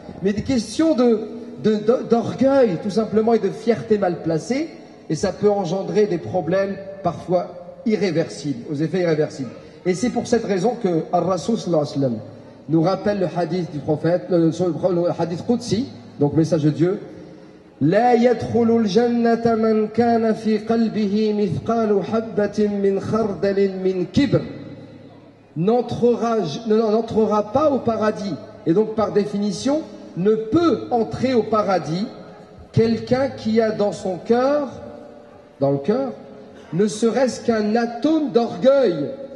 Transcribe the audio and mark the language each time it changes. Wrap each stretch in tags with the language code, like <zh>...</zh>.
<fr>Mais des questions d'orgueil, tout simplement, et de fierté mal placée. Et ça peut engendrer des problèmes parfois irréversibles, aux effets irréversibles. Et c'est pour cette raison que Ar-Rasoul</fr> <ar>sallallahu alayhi wa sallam</ar> <fr>nous rappelle le hadith du prophète, le hadith Qudsi, Donc, message de Dieu.</fr> <ar>لا يدخل الجنة من كان في قلبه مثقال حبة من خردل من كبر.</ar> <fr>N'entrera pas au paradis. Et donc, par définition, ne peut entrer au paradis quelqu'un qui a dans son cœur, dans le cœur, ne serait-ce qu'un atome d'orgueil.</fr>